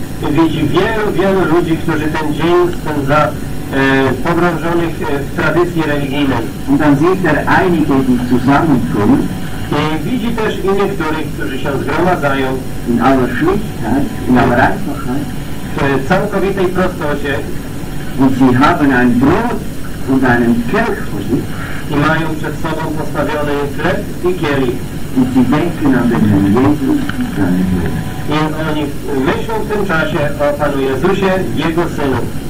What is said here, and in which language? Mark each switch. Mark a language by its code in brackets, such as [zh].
[pl] Widzi wielu, wielu ludzi, którzy ten dzień spędzają pogrążonych w tradycji religijnej. [de] Und dann sieht er einige, die zusammenkommen. [pl] I widzi też i niektórych, którzy się zgromadzają. [de] In aller Schlichtheit, in aller Einfachheit. [pl] W całkowitej prostocie. [de] Und sie haben ein Brot und einen Kelch vor sich. [pl] I mają przed sobą postawiony chleb i kielich. [de] Und sie denken an den Herrn Jesus und seine Brüder. [pl] I oni myślą w tym czasie o Panu Jezusie, Jego Synu.